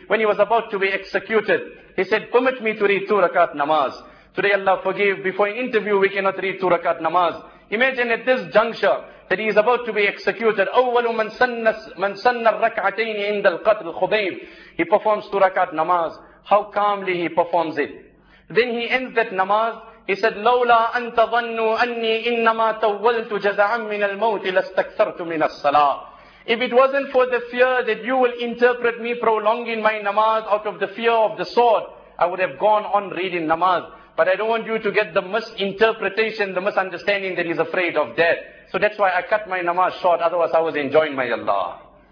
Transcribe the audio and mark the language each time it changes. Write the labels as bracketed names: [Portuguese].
[English] When he was about to be executed, he said, permit me to read 2 rakat namaz. Today Allah forgive, before an interview we cannot read 2 rakat namaz. Imagine at this juncture that he is about to be executed. [Arabic] أَوَّلُ مَنْ سَنَّ الرَّكْعَتَيْنِ عِنْدَ الْقَتْلِ خُبَيْبِ. [English] He performs 2 rakat namaz. How calmly he performs it. Then he ends that namaz. He said, [Arabic] لَوْلَا أَنْ تَظَنُّوا أَنِّي إِنَّمَا تَوَّلْتُ جَزَعًا مِنَ الْمَوْتِ لَاسْتَكْثَرْتُ مِنَ الصَّلَاةِ. [English] If it wasn't for the fear that you will interpret me prolonging my namaz out of the fear of the sword, I would have gone on reading namaz. But I don't want you to get the misinterpretation, the misunderstanding that he's afraid of death. So that's why I cut my namaz short, otherwise I was enjoying my Allah.